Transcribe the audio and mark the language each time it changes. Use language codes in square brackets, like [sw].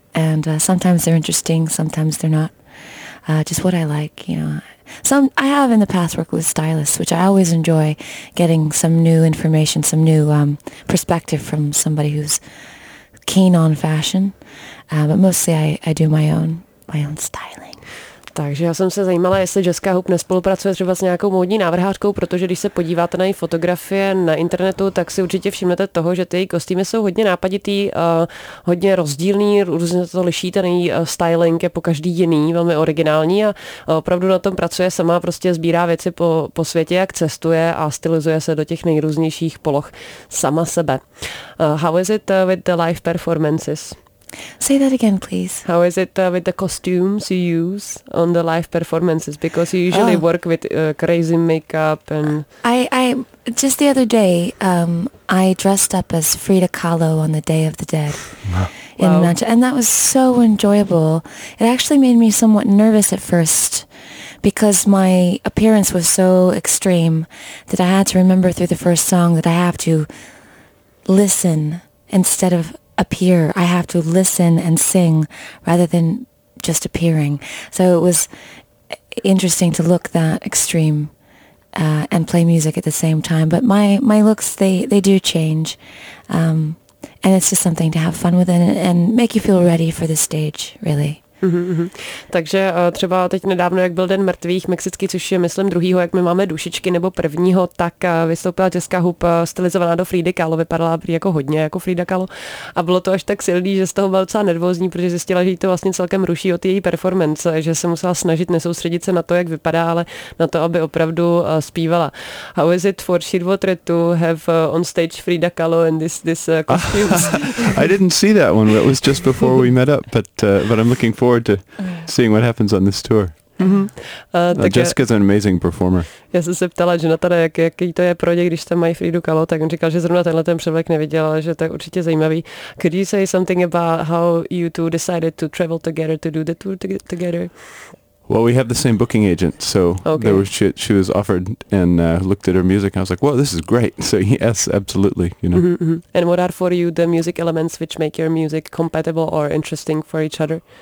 [en] And sometimes they're interesting, sometimes they're not. Just what I like, I have in the past worked with stylists, which I always enjoy getting some new information, some new perspective from somebody who's keen on fashion. But mostly I do my own styling. [cs] Takže já jsem se zajímala, jestli Jessica Hoop nespolupracuje třeba s nějakou módní návrhářkou, protože když se podíváte na její fotografie na internetu, tak si určitě všimnete toho, že ty její kostýmy jsou hodně nápaditý, hodně rozdílný, různě to liší, ten její styling je po každý jiný, velmi originální a opravdu na tom pracuje sama, prostě sbírá věci po světě, jak cestuje a stylizuje se do těch nejrůznějších poloh sama sebe. [en] How is it with the live performances? Say that again, please. How is it with the costumes you use on the live performances? Because you usually work with crazy makeup and... I just the other day, I dressed up as Frida Kahlo on the Day of the Dead. And that was so enjoyable. It actually made me somewhat nervous at first because my appearance was so extreme that I had to remember through the first song that I have to listen instead of... appear. I have to listen and sing rather than just appearing. So it was interesting to look that extreme and play music at the same time. But my looks, they do change. And it's just something to have fun with and make you feel ready for the stage, really. [cs] Takže třeba teď nedávno, jak byl Den mrtvých mexický, což je myslím druhýho, jak my máme dušičky, nebo prvního, tak vystoupila Jessica Hoop stylizovaná do Frida Kahlo, vypadala jako hodně jako Frida Kahlo a bylo to až tak silný, že z toho byla docela nervózní, protože zjistila, že jí to vlastně celkem ruší od její performance, že se musela snažit nesoustředit se na to, jak vypadá, ale na to, aby opravdu zpívala. [en] How is it for Shirvotre to have on stage Frida Kahlo in this costume? I didn't see that one, it was just before we met up, but I'm looking forward to seeing what happens on this tour. Jessica's an amazing performer. [cs] Já jsem se ptala Jonathana, jaký to je pro ně, když tam mají Frida Kahlo, tak on říkal, že zrovna tenhle ten převlek neviděl, ale že to je určitě zajímavý. [en] Could you say something about how you two decided to travel together, to do the tour together? Well, we have the same booking agent, so there was she was offered and looked at her music. And I was like, "Well, this is great." So yes, absolutely, you know. And what are for you the music elements which make your music compatible or interesting for each other?